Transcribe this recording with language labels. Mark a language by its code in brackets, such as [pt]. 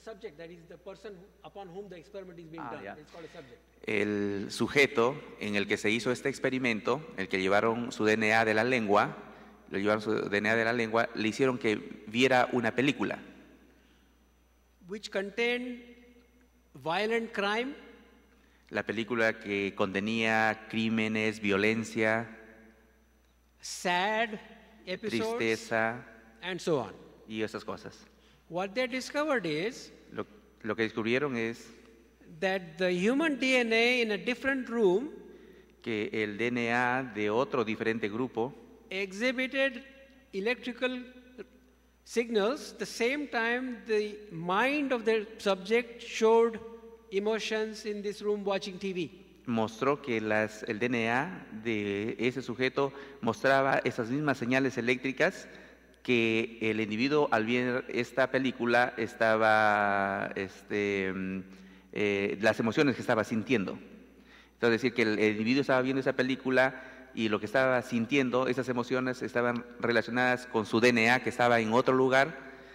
[en] subject, that is the person upon whom the experiment is being done. Yeah. It's called a subject. [es] El sujeto en el que se hizo este experimento, el que llevaron su DNA de la lengua, le hicieron que viera una película. [en] Which contained violent crime. [es] La película que contenía crímenes, violencia, [en] sad episodes, [es] tristeza, [en] and so on. [es] Y esas cosas. [en] What they discovered is, [es] lo que descubrieron es [en] that the human DNA in a different room, [es] que el DNA de otro diferente grupo, [en] exhibited electrical signals the same time the mind of the subject showed emotions in this room watching TV. [es] Mostró que el DNA de ese sujeto mostraba esas mismas señales eléctricas que el individuo al ver esta película estaba las emociones que estaba sintiendo. Entonces, decir que el individuo estaba viendo esa película y lo que estaba sintiendo, esas emociones estaban relacionadas con su DNA que estaba en otro lugar.